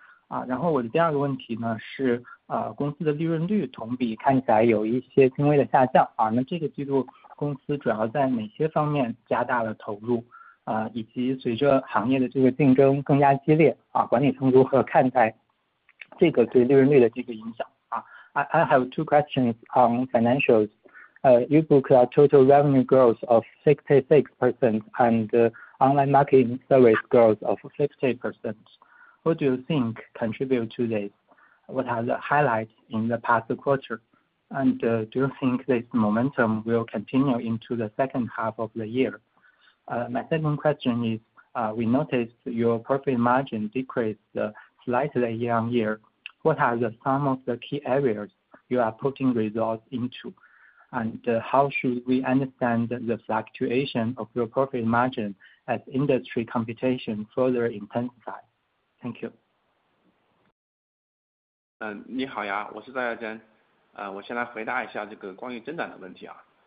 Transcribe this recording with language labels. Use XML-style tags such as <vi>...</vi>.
<zh>啊，然后我的第二个问题呢是，公司的利润率同比看起来有一些轻微的下降啊，那这个季度公司主要在哪些方面加大了投入啊，以及随着行业的这个竞争更加激烈啊，管理层如何看待这个对利润率的这个影响啊？</zh> <en>I have two questions on financials. You book a total revenue growth of 66% and online marketing service growth of 50%. What do you think contribute to this? What are the highlights in the past quarter? And do you think this momentum will continue into the second half of the year? My second question is, we noticed your profit margin decreased slightly year on year. What are some of the key areas you are putting resources into? And how should we understand the fluctuation of your profit margin as industry competition further intensifies? Thank you.</en> <zh>你好呀，我是赵亚珍。我先来回答一下这个关于增长的问题啊。</zh>